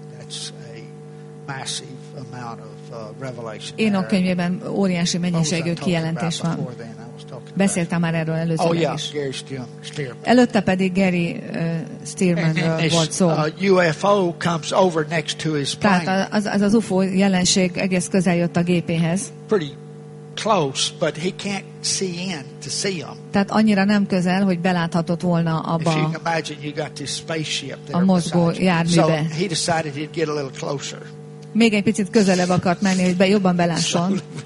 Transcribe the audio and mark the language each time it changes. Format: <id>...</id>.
<en>That's a massive amount of revelation.</en> <hu>Enoch könyvében óriási mennyiségű kijelentés van. Beszéltem már erről előzőleg is.</hu> <en>Gary Stearman.</en> <hu>Előtte pedig Gary Stearmanről volt szó.</hu> <en>UFO comes over next to his plane.</en> <hu>Tehát az UFO jelenség egész közel jött a gépéhez.</hu> <en>Pretty close, but he can't see in to see him.</en> <hu>Tehát annyira nem közel, hogy beláthatott volna abba.</hu> <en>If you can imagine, you got this spaceship there.</en> <hu>A mozgó járműbe.</hu> <en>So he decided he'd get a little closer.</en> <hu>Még egy picit közelebb akart menni, hogy jobban belásson.</hu>